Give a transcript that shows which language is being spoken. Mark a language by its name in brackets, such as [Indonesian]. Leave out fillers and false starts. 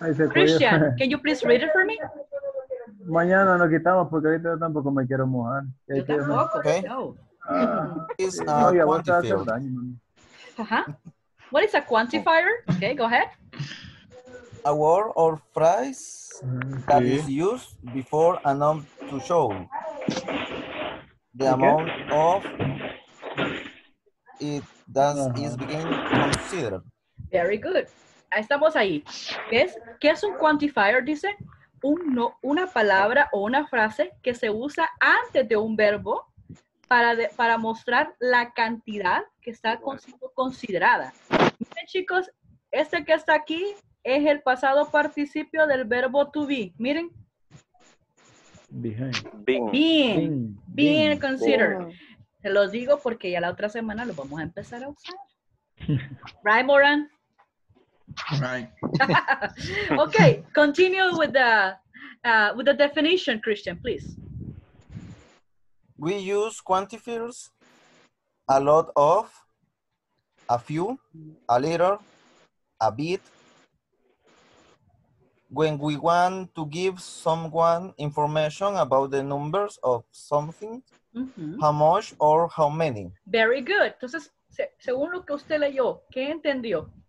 [English] Christian, can you please read it for me? [Spanish] Mañana lo quitamos porque ahorita yo tampoco me quiero mojar. Yo tampoco, [English] okay. [Spanish] No. Es quantifier. Uh-huh. [English] What is a quantifier? Okay, go ahead. A word or phrase that is used before a noun to show the amount of it that is being considered. Very good. [Spanish] Estamos ahí. ¿Qué es un quantifier? Dice una palabra o una frase que se usa antes de un verbo para mostrar la cantidad que está considerada. Miren, chicos, este que está aquí es el pasado participio del verbo to be. Miren. [English] Being considered. [Spanish] Se los digo porque ya la otra semana lo vamos a empezar a usar. [English] Right, Moran? Right. Okay, continue with the definition, Christian, please. We use quantifiers a lot of, a few, a little, a bit. When we want to give someone information about the numbers of something, mm-hmm. how much or how many. Very good. [Spanish] Entonces, según lo que usted leyó, ¿qué entendió?